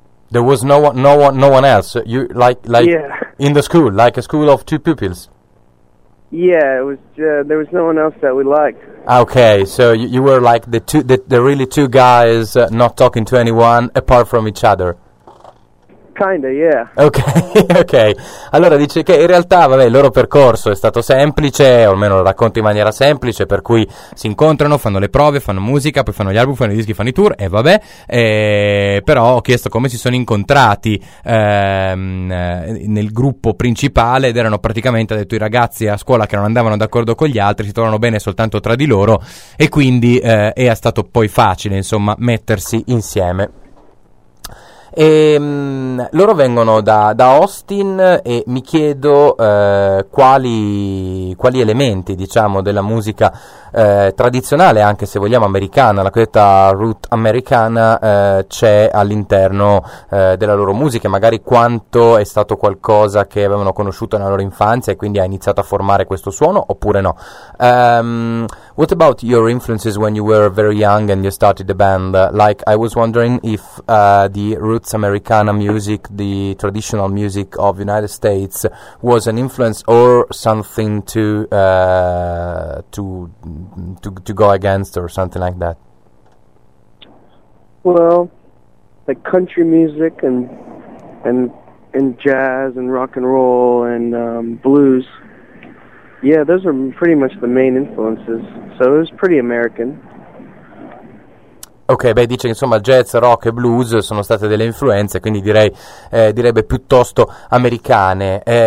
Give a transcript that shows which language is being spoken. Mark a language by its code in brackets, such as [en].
[en] There was no one else. You like yeah. In the school, like a school of two pupils. Yeah, it was. There was no one else that we liked. Okay, so you were like the really two guys not talking to anyone apart from each other. Kinda, yeah. Ok. [it] Allora dice che in realtà, vabbè, il loro percorso è stato semplice, o almeno lo racconta in maniera semplice, per cui si incontrano, fanno le prove, fanno musica, poi fanno gli album, fanno i dischi, fanno i tour, e vabbè. Però ho chiesto come si sono incontrati nel gruppo principale, ed erano praticamente, ha detto, i ragazzi a scuola che non andavano d'accordo con gli altri, si trovano bene soltanto tra di loro, e quindi è stato poi facile, insomma, mettersi insieme. E loro vengono da Austin e mi chiedo quali elementi, diciamo, della musica tradizionale, anche se vogliamo americana, la cosiddetta root americana, c'è all'interno della loro musica, magari quanto è stato qualcosa che avevano conosciuto nella loro infanzia e quindi ha iniziato a formare questo suono, oppure no. [en] What about your influences when you were very young and you started the band? Like, I was wondering if the roots Americana music, the traditional music of the United States, was an influence or something to go against or something like that. Well, like country music and jazz and rock and roll and blues. Yeah, those are pretty much the main influences. So it was pretty American. [it] Ok, beh, dice che insomma jazz, rock e blues sono state delle influenze, quindi direi direbbe piuttosto americane.